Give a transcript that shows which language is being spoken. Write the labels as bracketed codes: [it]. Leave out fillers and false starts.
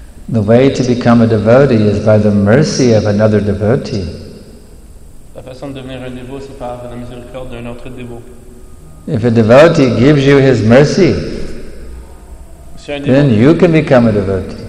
[en] The way to become a devotee is by the mercy of another devotee. [fr] La façon de devenir un dévot, c'est par la miséricorde d'un autre dévot. [en] If a devotee gives you his mercy, then you can become a devotee.